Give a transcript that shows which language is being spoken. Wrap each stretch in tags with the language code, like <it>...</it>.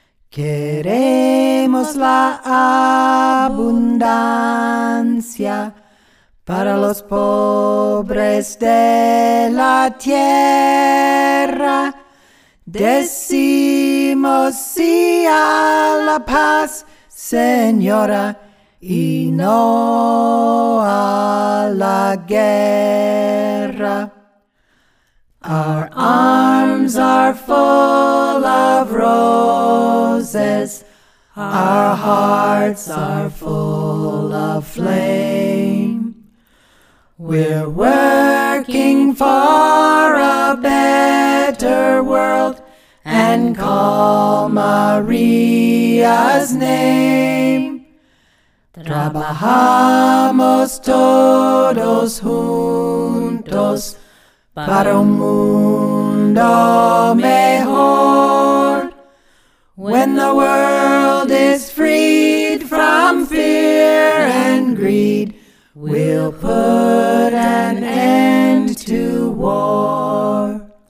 <es>Queremos la abundancia para los pobres de la tierra. Decimos sí a la paz, señora, y no a la guerra.</es> <en>Our arms are full of roses, our hearts are full of flame. We're working for a better world and call Maria's name.</en> <es>Trabajamos todos juntos para un mundo mejor.</es> <en>When the world is freed from fear and greed, we'll put an end to war.</en>